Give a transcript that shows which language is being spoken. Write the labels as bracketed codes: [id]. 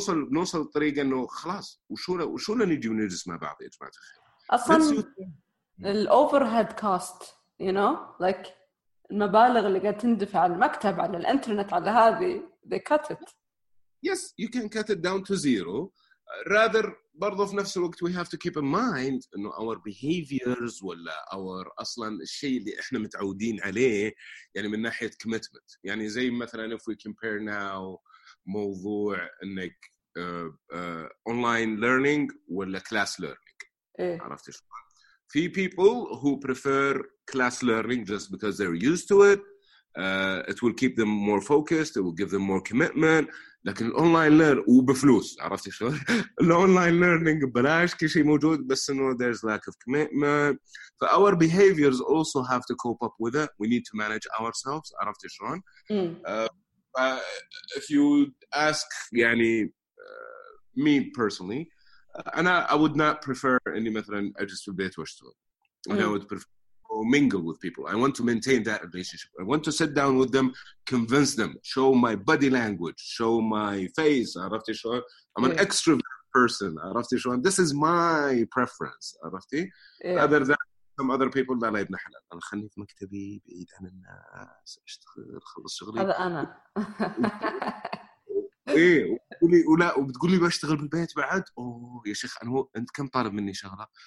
[ar] نوصل طريقة إنه خلاص, وشولا نجي ونجلس مع بعض يا جماعة الخير. أصلاً ال overhead cost, [en] you know, like [ar] المبالغ اللي قاعد تندفع على المكتب, على الإنترنت, على هذه, [en] they cut it. Yes, you can cut it down to zero. rather [ar] برضو في نفس الوقت [en] we have to keep in mind إنه our behaviors ولا our [ar] أصلاً الشيء اللي إحنا متعودين عليه يعني من ناحية [en] commitment يعني زي مثلاً if we compare now موضوع إنك online learning ولا class learning [ar] إيه. [en] عرفت إيش في people who prefer class learning just because they're used to it it will keep them more focused it will give them more commitment [ar] لكن الاونلاين ليرن وبفلوس عرفت شلون الاونلاين ليرنينج ببلاش كل شيء موجود بس انه [en] there is lack of commitment for our behaviors also have to cope up with it we need to manage ourselves عرفت شلون if you ask يعني me personally I would not prefer [ar] اني مثلا اجلس في البيت واشتغل انا [en] would prefer or mingle with people. I want to maintain that relationship. I want to sit down with them, convince them, show my body language, show my face. [ar] عرفتي شلون? [en] I'm an extrovert person. عرفتي شلون? This is my preference. عرفتي? Rather than some other people [ar] لا يبنى حلال. أنا خلني في مكتبي بعيد عن الناس. أشتغل خلص شغلي. هذا أنا. إيه. وتقولي ولا وبتقولي بشتغل بالبيت بعد. أوه يا شيخ أنا هو أنت كم طالب مني شغلة?